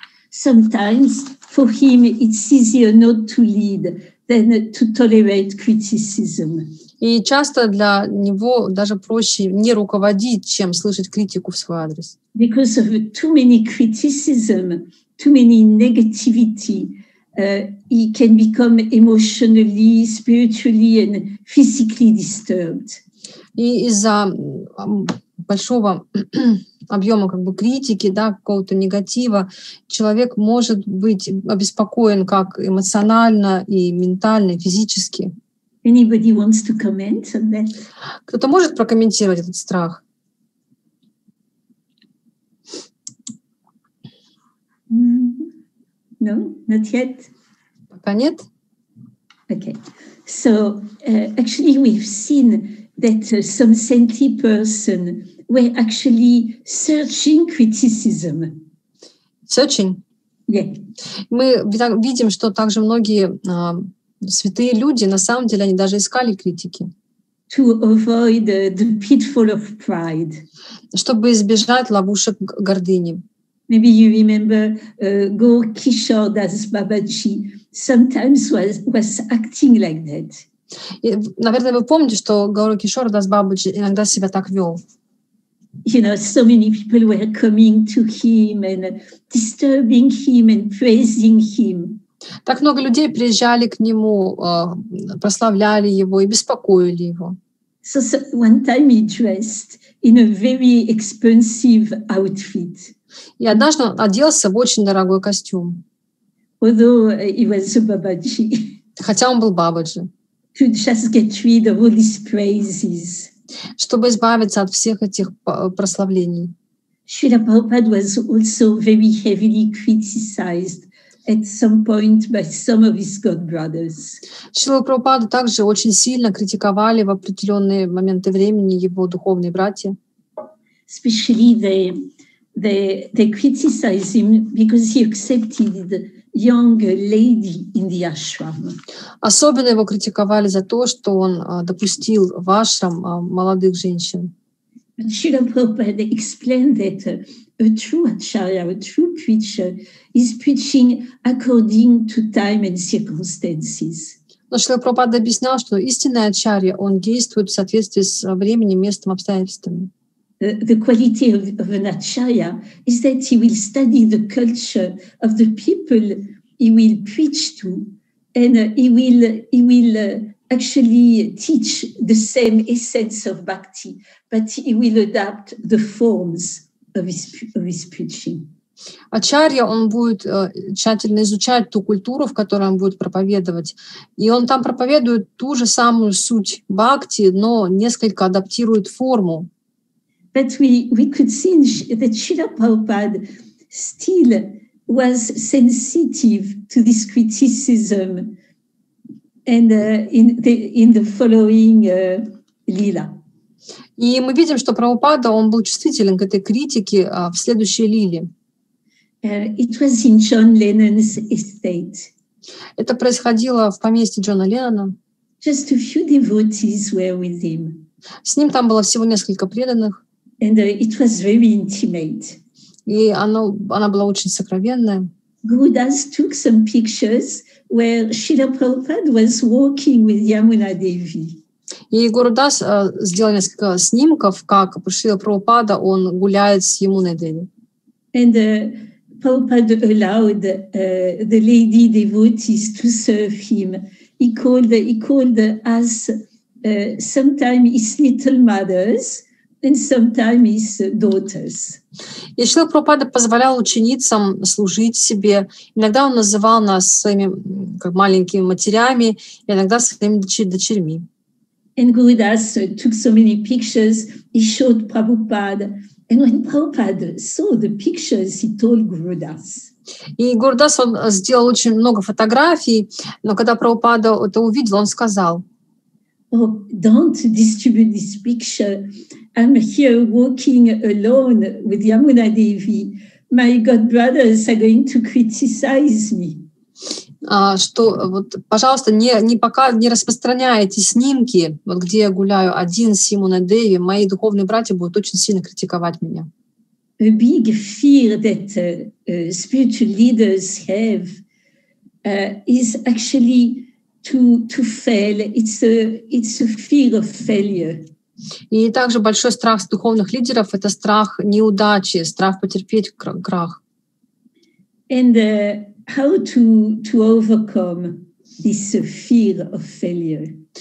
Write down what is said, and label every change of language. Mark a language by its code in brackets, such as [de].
[en] Sometimes for him it's easier not to lead than to tolerate criticism. [ru] И часто для него даже проще не руководить, чем слышать критику в свой адрес. [en] Because of too many criticism, too many negativity, he can become emotionally, spiritually, and physically disturbed. [ru] И из-за большого объема как бы критики, да, какого-то негатива, человек может быть обеспокоен как эмоционально и ментально, и физически. [en] Anybody wants to comment on that? [ru] Кто-то может прокомментировать этот страх? [en] No, not yet. [ru] Пока нет. [en] Okay. So, actually, we've seen that some saintly person were actually searching criticism. Searching? Yeah. [ru] Мы видим, что также многие святые люди, на самом деле, они даже искали критики. [en] To avoid the pitfall of pride. [ru] Чтобы избежать ловушек гордыни. [en] Maybe you remember Gaur Kishordas Babaji sometimes was acting like that. [ru] И, наверное, вы помните, что Гаур Кишордас Бабаджи иногда себя так вел. [en] You know, so many people were coming to him and disturbing him and praising him. [ru] Так много людей приезжали к нему, прославляли его и беспокоили его. [en] So one time he dressed in a very expensive outfit. [ru] И однажды он оделся в очень дорогой костюм. [en] Although he was a Babaji. [ru] Хотя он был Бабаджи. [en] To just get rid of all these praises. [ru] Чтобы избавиться от всех этих прославлений. [en] Srila Prabhupada was also very heavily criticized at some point by some of his godbrothers. [ru] Srila Prabhupada также очень сильно критиковали в определенные моменты времени его духовные братья. [en] Especially they criticized him because he accepted the young lady in the ashram. [ru] Особенно его критиковали за то, что он допустил в ашрам молодых женщин. [en] Srila Prabhupada explained that a true acharya, a true preacher, is preaching according to time and circumstances. [ru] Но Srila Prabhupada объяснял, что истинный ачарья, он действует в соответствии с временем, местом, обстоятельствами. [en] The quality of an acharya is that he will study the culture of the people he will preach to, and he will actually teach the same essence of bhakti, but he will adapt the forms of his preaching. [ru] Ачарья, он будет тщательно изучать ту культуру, в которой он будет проповедовать. И он там проповедует ту же самую суть бхакти, но несколько адаптирует форму. [en] But we could see that Srila Prabhupada still was sensitive to this criticism and in the following lila. [ru] И мы видим, что Прабхупада, он был чувствителен к этой критике в следующей лиле. [en] It was in John Lennon's estate. [ru] Это происходило в поместье Джона Леннона. [en] Just a few devotees were with him. [ru] С ним там было всего несколько преданных. [en] And it was very intimate. [ru] И она была очень сокровенная. [en] Gurudas took some pictures where Srila Prabhupada was walking with Yamuna Devi. [ru] И Gurudas сделал несколько снимков, как Шрила Прабхупада, он гуляет с Ямуной Деви. [en] And Prabhupada allowed the lady devotees to serve him. He called us sometimes his little mothers and sometimes his daughters. [ru] И Шрила Прабхупада позволял ученицам служить себе. Иногда он называл нас своими как маленькими матерями, и иногда своими дочерьми. [en] And Gurudas took so many pictures, he showed Prabhupada. And when Prabhupada saw the pictures, he told Gurudas. [ru] И Gurudas сделал очень много фотографий, но когда Прабхупада это увидел, он сказал: [en] Oh, don't distribute this picture. I'm here walking alone with Yamuna Devi. My god brothers are going to criticize me. [ru] Что вот, пожалуйста, не распространяй эти снимки, вот где я гуляю один с Ямуной Деви, мои духовные братья будут очень сильно критиковать меня. [en] A big fear that spiritual leaders have is actually to fail. It's a fear of failure. [ru] И также большой страх духовных лидеров — это страх неудачи, страх потерпеть крах. [en] And how to overcome this fear of failure?